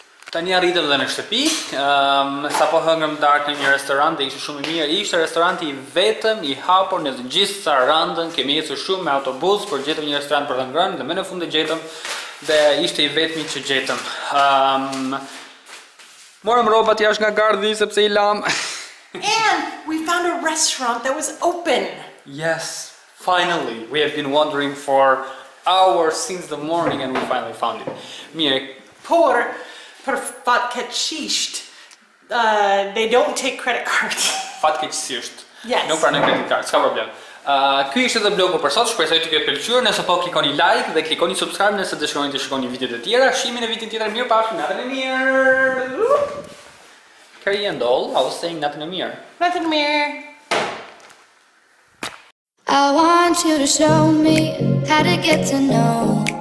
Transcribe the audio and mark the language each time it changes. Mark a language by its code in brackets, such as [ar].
[sq] Tani arritëm edhe në shtëpi, sapo hëngrëm darkë në një restorant dhe ishte shumë i mirë. Ishte restoranti i vetëm i hapur në të gjithë Sarandën. Kemi ecur shumë me autobus, por gjetëm një restorant për të ngrënë dhe më në fund e gjetëm dhe ishte i vetmi që gjetëm. Morëm rrobat jashtë nga gardhi sepse i lam. [en] And we found a restaurant that was open. Yes, finally. We have been wandering for hours since the morning and we finally found it. [sq] Mirë, por për fatkeqësisht, [en] they don't take credit cards. [sq] Fatkeqësisht. [en] Yes. [sq] Nuk pranojnë credit cards, s'ka problem. Ky ishte dhe blogu për sot, shpresoj të ketë pëlqyer, nëse po klikoni like dhe klikoni subscribe nëse dëshironi të shikoni videot e tjera. Shihemi në vitin tjetër, mirë pafshim, natën e mirë. [en] Carry and all, I was saying [sq] natën e mirë. Natën e mirë. [en] I want you to show me how to get to know you.